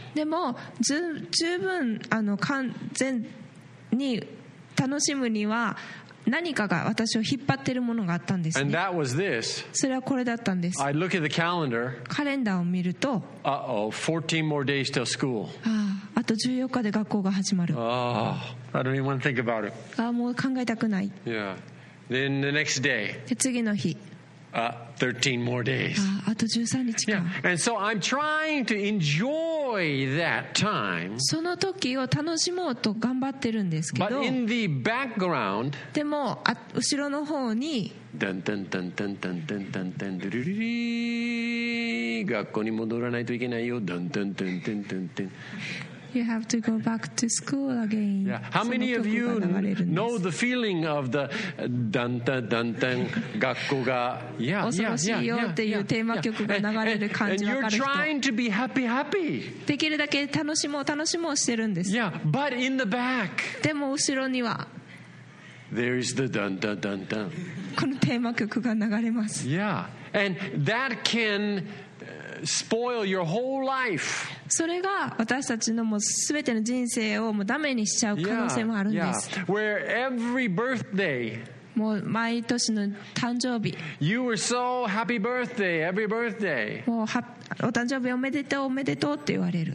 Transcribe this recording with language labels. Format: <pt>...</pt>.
<ja>でも十分あの完全に楽しむには何かが私を引っ張ってるものがあったんですね。</ja> <en>And that was this.</en> <ja>それはこれだったんです。</ja> <en>I look at the calendar.</en> <ja>カレンダーを見ると、</ja> <en>14 more days till school.</en> <ja>あと14日で学校が始まる。</ja> <en>Oh, I don't even want to think about it.</en> <ja>あもう考えたくない。</ja> <en>Yeah. Then the next day.</en> <ja>で次の日。</ja> <en>13 more days.</en> <ja>あと13日か。</ja> <en>Yeah. And so I'm trying to enjoy enjoy that time.</en> <ja>その時を楽しもうと頑張ってるんですけど。</ja> <en>But in the background.</en> <ja>でも後ろの方に。ダンダンダンダンダンダンダンダンダルルル。学校に戻らないといけないよ。ダンダンダンダンダンダン。</ja> <en>You have to go back to school again. Yeah. How many of you know the feeling of the dun dun dun dun</en> <ja>学校が恐ろしいよっていうテーマ曲が流れる感じ</ja> <en>And you're trying to be happy, happy.</en> <ja>できるだけ楽しもう楽しもうしてるんです。</ja> <en>Yeah, but in the back.</en> <ja>でも後ろには</ja> <en>There is the dun dun dun dun.</en> <ja>このテーマ曲が流れます。</ja> <en>Yeah, and that can spoil your whole life.</en> <ja>それが私たちのもう全ての人生をもうダメにしちゃう可能性もあるんです。</ja> <en>Yeah, yeah. Where every birthday,</en> <ja>もう毎年の誕生日、</ja> <en>You were so happy birthday, every birthday.</en> <ja>もうお誕生日おめでとうおめでとうって言われる。</ja>